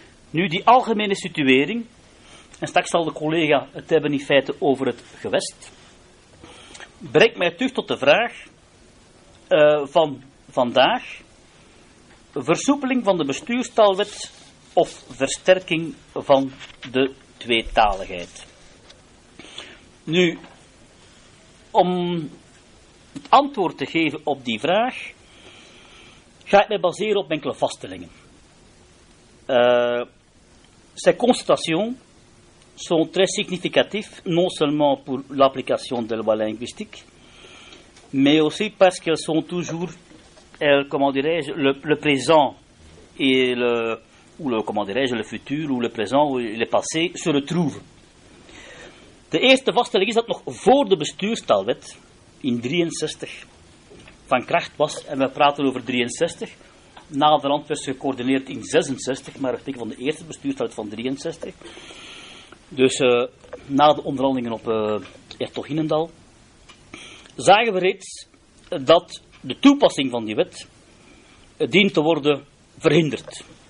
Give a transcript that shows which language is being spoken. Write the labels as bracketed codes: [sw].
[nl] Nu, die algemene situering, en straks zal de collega het hebben in feite over het gewest, brengt mij terug tot de vraag van vandaag, versoepeling van de bestuurstaalwet of versterking van de tweetaligheid. Nu, om het antwoord te geven op die vraag, ga ik mij baseren op enkele vaststellingen. [fr] Cette constatation sont très significatifs, non seulement pour l'application de la loi linguistique, mais aussi parce qu'elles sont toujours, le présent et le, ou le, le futur, ou le présent, ou le passé, se retrouvent. [nl] De eerste vaststelling is dat nog voor de bestuurstaalwet, in 63, van kracht was, en we praten over 63, na de rand werd gecoördineerd in 66, maar het is van de eerste bestuurstaalwet van 63, dus na de onderhandelingen op Hertoginnendal, zagen we reeds dat de toepassing van die wet dient te worden verhinderd.